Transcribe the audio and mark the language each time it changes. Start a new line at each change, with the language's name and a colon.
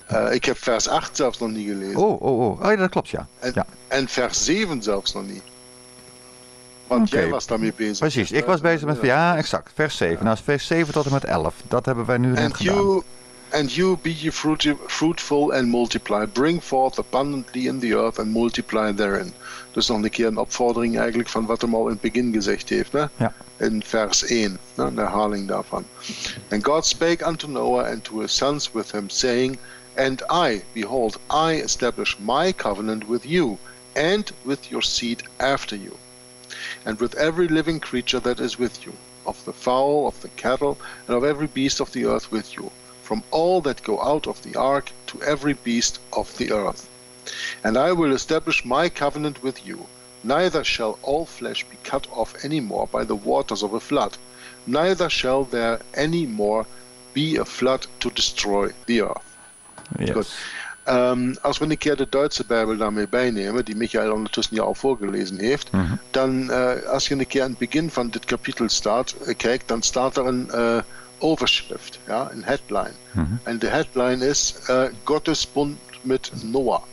Dutch: Ik heb vers 8 zelfs nog niet gelezen. Oh, ja, dat klopt, ja. En vers 7 zelfs nog niet. Want jij was daarmee bezig. Precies, ik was bezig met... Ja, exact, vers 7. Ja. Nou, vers 7 tot en met 11. Dat hebben wij nu net gedaan.
English: And you be ye fruitful and multiply. Bring forth abundantly in the earth and multiply therein.
Dutch: Dus nog een keer een opvordering eigenlijk van wat hem al in het begin gezegd heeft. Hè? Ja. In vers 1, een herhaling daarvan.
English: And God spake unto Noah and to his sons with him, saying... And I, behold, I establish my covenant with you and with your seed after you, and with every living creature that is with you, of the fowl, of the cattle, and of every beast of the earth with you, from all that go out of the ark to every beast of the earth. And I will establish my covenant with you. Neither shall all flesh be cut off any more by the waters of a flood, neither shall there any more be a flood to destroy the earth. Yes. Gut.
German: Als wenn ich ja die deutsche Bibel damit beinehme, die Michael unterdessen ja auch vorgelesen heeft, dann als wenn ich ja an Beginn von dem Kapitel start, kriegt, dann start er eine Überschrift, ja, ein Headline. Und die Headline ist Gottes Bund mit Noah.